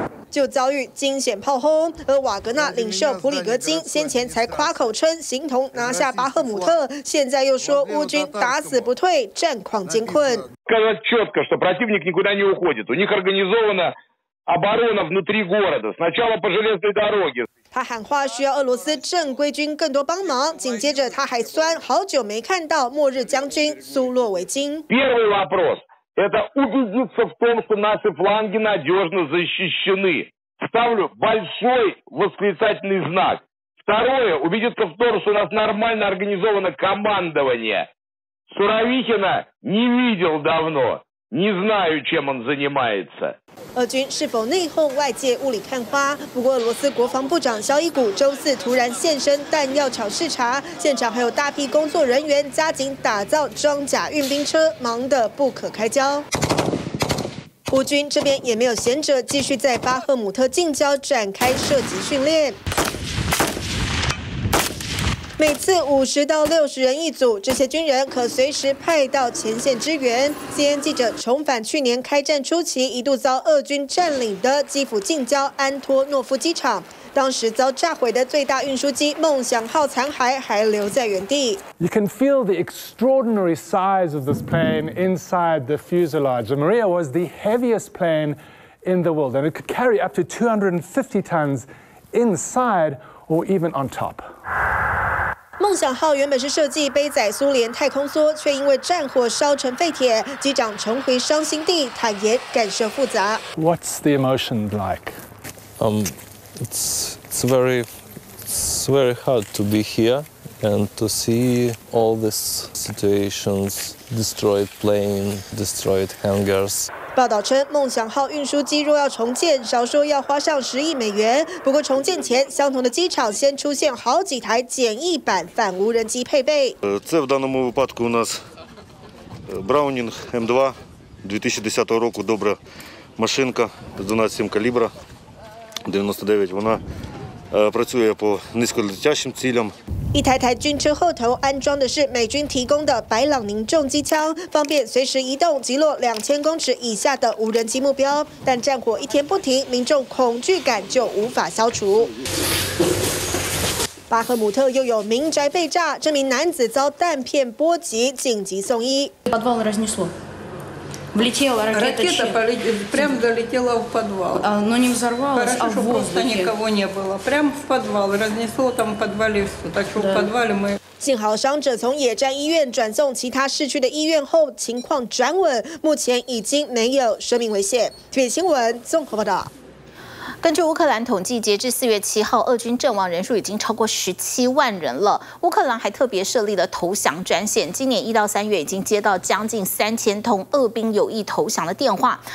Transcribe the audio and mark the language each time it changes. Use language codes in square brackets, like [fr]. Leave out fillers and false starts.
[zh] 就遭遇惊险炮轰，而瓦格纳领袖普里格金先前才夸口称形同拿下巴赫姆特，现在又说乌军打死不退，战况艰困。 [ru] Сказать четко, что противник никуда не уходит, у них организована оборона внутри города, сначала по железной дороге。 [zh] 他喊话需要俄罗斯正规军更多帮忙，紧接着他还酸好久没看到末日将军苏洛维金。 [ru] Первый вопрос. Это убедиться в том, что наши фланги надежно защищены. Ставлю большой восклицательный знак. Второе, убедиться в том, что у нас нормально организовано командование. Суровикина не видел давно. Не знаю, чем он занимается. [zh] 俄军是否内讧，外界雾里看花。不过，俄罗斯国防部长肖伊古周四突然现身弹药厂视察，现场还有大批工作人员加紧打造装甲运兵车，忙得不可开交。乌军这边也没有闲着，继续在巴赫姆特近郊展开射击训练。每次50到60人一组，这些军人可随时派到前线支援。 CNN 记者重返去年开战初期一度遭俄军占领的基辅近郊安托诺夫机场，当时遭炸毁的最大运输机梦想号残骸还留在原地。 [en] You can feel the extraordinary size of this plane inside the fuselage. The Maria was the heaviest plane in the world, and it could carry up to 250 tons inside or even on top. [zh] 梦想号原本是设计背载苏联太空梭，却因为战火烧成废铁。机长重回伤心地，坦言感受复杂。 [en] What's the emotion like? It's very hard to be here and to see all these situations: destroyed plane, destroyed hangars. [zh] 报道称，梦想号运输机若要重建，少说要花上10亿美元。不过，重建前，相同的机场先出现好几台简易版反无人机配备。 [uk] Це в даному випадку у нас Браунінг М2 2010 року добра машинка з 12 калібра 99. Вона працює по низьколетящим цілям. [zh] 一台台军车后头安装的是美军提供的白朗宁重机枪，方便随时移动击落2000公尺以下的无人机目标。但战火一天不停，民众恐惧感就无法消除。巴赫姆特又有民宅被炸，这名男子遭弹片波及，紧急送医。 [ru] Ракета прямо залетела в подвал. Но не взорвалась, Хорошо, а в воздухе. Хорошо, что просто никого не было. Прямо в подвал. Разнесло там в подвале все. Так что в подвале мы... [zh] 幸好伤者从野战医院转送其他市区的医院后情况转稳，目前已经没有生命危险。特别新闻综合报道。根据乌克兰统计，截至4月7号，俄军阵亡人数已经超过17万人了。乌克兰还特别设立了投降专线，今年1到3月已经接到将近3000通俄兵有意投降的电话。